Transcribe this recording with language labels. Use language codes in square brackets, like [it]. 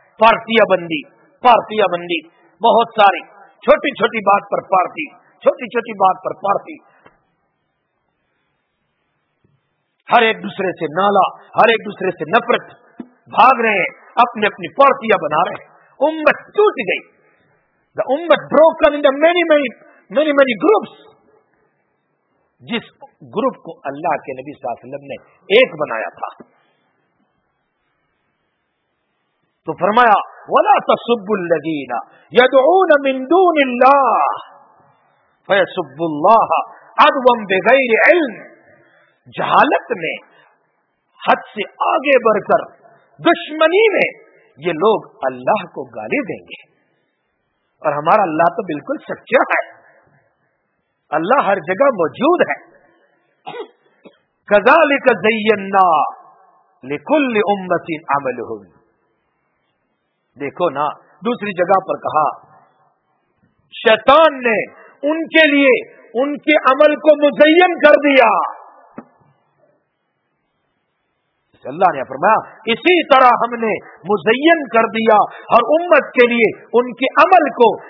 [ur] پارٹیاں بندی, پارٹیاں بندی بہت ساری, چھوٹی چھوٹی بات پر پارٹی, چھوٹی چھوٹی بات پر پارٹی, ہر ایک دوسرے سے نالا, ہر ایک دوسرے سے نفرت, بھاگ رہے ہیں, اپنی اپنی پارٹیاں بنا رہے ہیں. امت ٹوٹ گئی, [en] The امت broken in the many many many many groups. [ur] جس گروپ کو اللہ کے نبی صلی اللہ علیہ وسلم نے ایک بنایا تھا تو فرمایا [ar] ولا تسبوا الذین یدعون من دون اللہ فیسبوا اللہ عدوا بغیر علم. [ur] جہالت میں حد سے آگے بڑھ کر دشمنی میں یہ لوگ اللہ کو گالی دیں گے، اور ہمارا اللہ تو بالکل سچا ہے، اللہ ہر جگہ موجود ہے. [ar] کذالک زینا لکل امت عملہم. [ur] دیکھو نا دوسری جگہ پر کہا شیطان نے ان کے لیے ان کے عمل کو مزین کر دیا. اللہ نے فرمایا اسی طرح ہم نے مزین کر دیا ہر امت کے لیے ان کے عمل کو.